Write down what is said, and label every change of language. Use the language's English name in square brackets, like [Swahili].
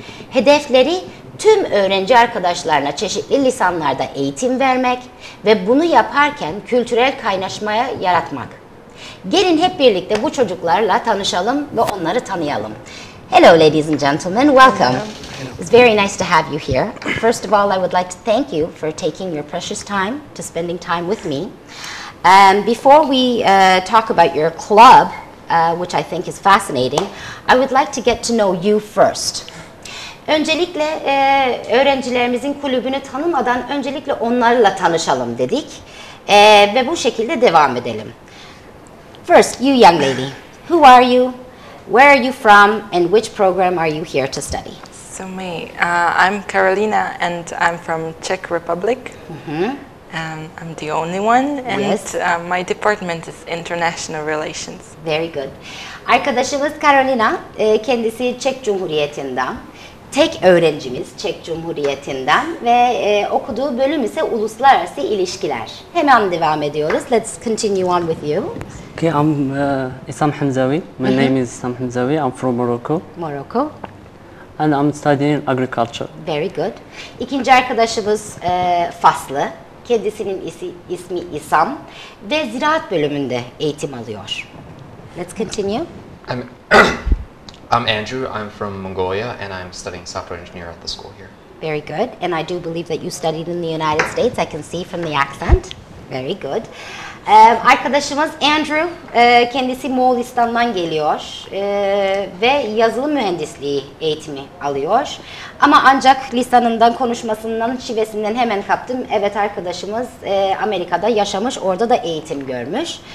[Turkish] Hedefleri tüm öğrenci arkadaşlarına çeşitli lisanlarda eğitim vermek ve bunu yaparken kültürel kaynaşmaya yaratmak. Gelin hep birlikte bu çocuklarla tanışalım ve onları tanıyalım. [English] Hello ladies and gentlemen, welcome. It's very nice to have you here. First of all, I would like to thank you for taking your precious time to spending time with me. Before we talk about your club, which I think is fascinating, I would like to get to know you first. [Turkish] Öncelikle öğrencilerimizin kulübünü tanımadan öncelikle onlarla tanışalım dedik ve bu şekilde devam edelim. [English] First, you young lady, who are you? Where are you from and which program are you here to study? So me, I'm Carolina and I'm from Czech Republic. I'm the only one and yes. My department is international relations. Very good. [Turkish] Arkadaşımız Carolina, kendisi Çek Cumhuriyeti'nden. Tek öğrencimiz Çek Cumhuriyeti'nden ve okuduğu bölüm ise uluslararası ilişkiler. Hemen devam ediyoruz. [English] Let's continue on with you. Okay, I'm Isam Hamzawi. My name is Isam Hamzawi. I'm from Morocco. Morocco. And I'm studying agriculture. Very good. [Turkish] İkinci arkadaşımız Faslı. Kendisinin ismi Isam ve ziraat bölümünde eğitim alıyor. [English] Let's continue. I'm Andrew. I'm from Mongolia and I'm studying software engineer at the school here. Very good. And I do believe that you studied in the United States. I can see from the accent. Very good. [Turkish] Arkadaşımız Andrew, kendisi Moğolistan'dan geliyor ve yazılım mühendisliği eğitimi alıyor. Ama ancak lisanından, konuşmasından, şivesinden hemen kaptım. Evet, arkadaşımız Amerika'da yaşamış, orada da eğitim görmüş.